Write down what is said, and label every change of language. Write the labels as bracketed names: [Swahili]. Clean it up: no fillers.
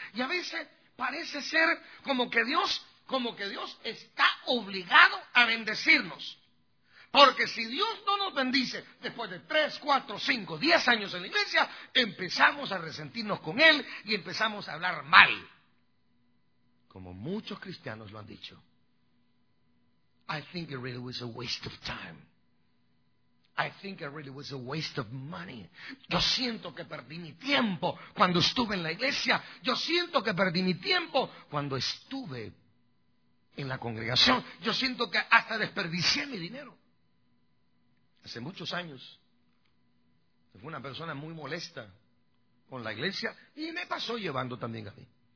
[Spanish] Y a veces parece ser como que Dios está obligado a bendecirnos. Porque si Dios no nos bendice después de 3, 4, 5, 10 años en la iglesia, empezamos a resentirnos con Él y empezamos a hablar mal. Como muchos cristianos lo han dicho. [English] I think it really was a waste of time. I think it really was a waste of money. [Spanish] Yo siento que perdí mi tiempo cuando estuve en la iglesia. Yo siento que perdí mi tiempo cuando estuve en la congregación. Yo siento que hasta desperdicié mi dinero. Hace muchos años, fue una persona muy molesta con la iglesia y me pasó llevando también a mí.